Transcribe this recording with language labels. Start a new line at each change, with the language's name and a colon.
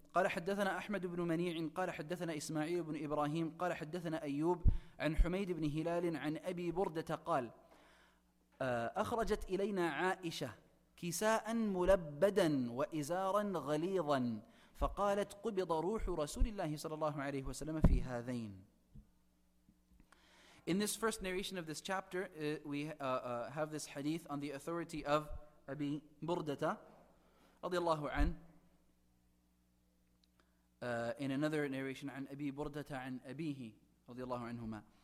Arabic: قال حدثنا أحمد بن منيع قال حدثنا إسماعيل بن إبراهيم قال حدثنا أيوب عن حميد بن هلال عن أبي بردة قال أخرجت إلينا عائشة كساء ملبدا وإزارا غليظا فقالت قبض روح رسول الله صلى الله عليه وسلم في هذين.
English: In this first narration of this chapter, we have this hadith on the authority of Abi Burdata
Arabic: رضي الله عنه.
English: In another narration,
Arabic: عن أبي بردة عن أبيه رضي الله عنهما.